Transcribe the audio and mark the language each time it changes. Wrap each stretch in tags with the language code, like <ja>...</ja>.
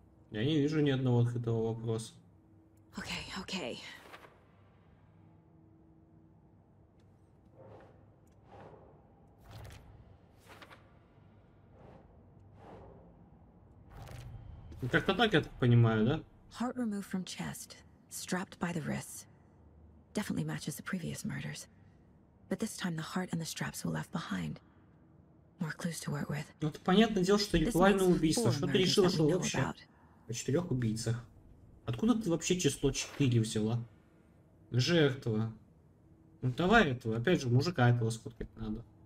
<ru>Я не вижу ни одного открытого вопроса. Окей. Ну, как-то так я так понимаю, да?</ru> <en>Heart removed from chest, strapped by the wrists. Definitely matches the previous murders. But this time the heart and the straps were left behind. More clues to work with.</en> <ru>Ну, это понятное дело, что ритуальное убийство. Что ты решила, что вообще? О четырех убийцах. Откуда ты вообще число 4 взяла? Жертва. Ну давай этого. Опять же, мужика этого сфоткать надо.</ru>